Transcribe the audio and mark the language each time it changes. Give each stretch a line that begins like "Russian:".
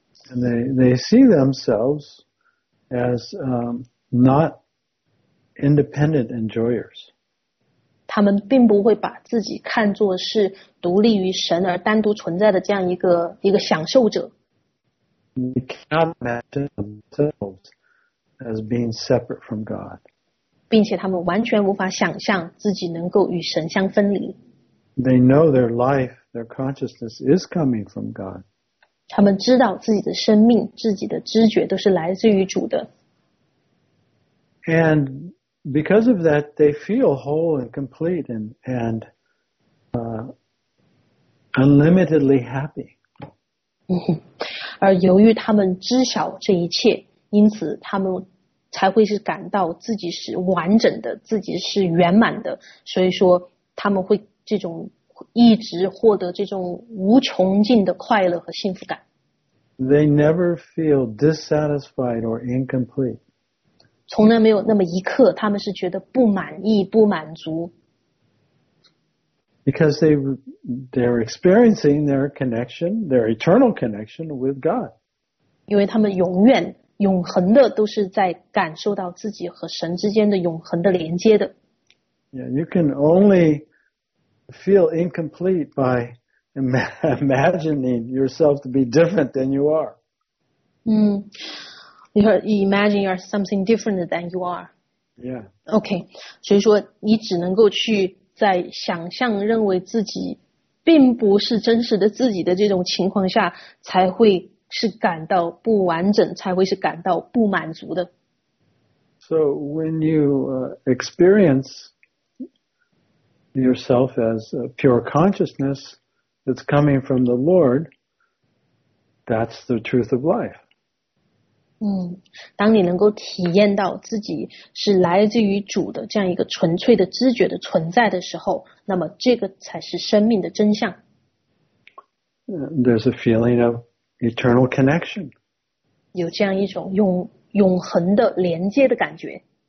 English: And they see themselves as not independent enjoyers.
Chinese: 他们并不会把自己看作是独立于神而单独存在的这样一个享受者。
English: They cannot imagine themselves as being separate from God.
Chinese: 并且他们完全无法想象自己能够与神相分离。
English: They know their life, their consciousness is coming from God.
Chinese: 他们知道自己的生命、自己的知觉都是来自于主的。
English: And because of that, they feel whole and complete and unlimitedly happy.
Chinese: 而由于他们知晓这一切，因此他们才会是感到自己是完整的，自己是圆满的，所以说他们会这种一直获得这种无穷尽的快乐和幸福感。
English: They never feel dissatisfied or incomplete.
Chinese: 从来没有那么一刻，他们是觉得不满意、不满足。
English: Because they're experiencing their connection, their eternal connection with God.
Chinese: 因为他们永远永恒的都是在感受到自己和神之间的永恒的连接的。
English: Yeah, you can only feel incomplete by imagining yourself to be different than you are. You imagine you're something different than you are. Yeah.
Chinese: Okay, 所以说你只能够去在想象认为自己并不是真实的自己的这种情况下才会是感到不完整，才会是感到不满足的。
English: So when you experience yourself as a pure consciousness that's coming from the Lord, that's the truth of life.
Chinese: 嗯，当你能够体验到自己是来自于主的这样一个纯粹的知觉的存在的时候，那么这个才是生命的真相。
English: There's a feeling of eternal connection.
Chinese: 有这样一种永恒的连接的感觉。